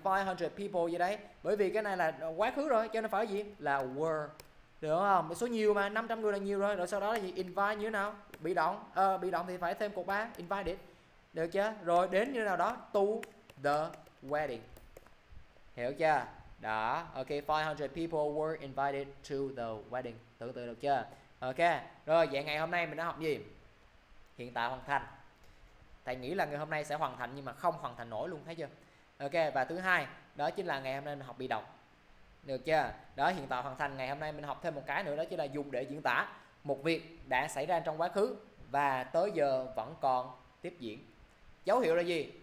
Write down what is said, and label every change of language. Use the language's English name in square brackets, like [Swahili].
[Vietnamese] 500 people gì đấy, bởi vì cái này là quá khứ rồi cho nên phải gì là were. Được không? Số nhiều mà 500 người là nhiều rồi. Rồi sau đó là gì? Invite như thế nào? Bị động thì phải thêm cột ba invited. Được chưa? Rồi đến như nào đó [English] to the wedding, [Vietnamese] hiểu chưa? Đó, [English] ok, 500 people were invited to the wedding. [Vietnamese] Tưởng tượng được chưa? Ok, rồi, vậy ngày hôm nay mình đã học gì? Hiện tại hoàn thành. Thầy nghĩ là ngày hôm nay sẽ hoàn thành nhưng mà không hoàn thành nổi luôn, thấy chưa? Ok, và thứ hai đó chính là ngày hôm nay mình học bị động, được chưa? Đó, hiện tại hoàn thành. Ngày hôm nay mình học thêm một cái nữa, đó chính là dùng để diễn tả một việc đã xảy ra trong quá khứ và tới giờ vẫn còn tiếp diễn. Dấu hiệu là gì?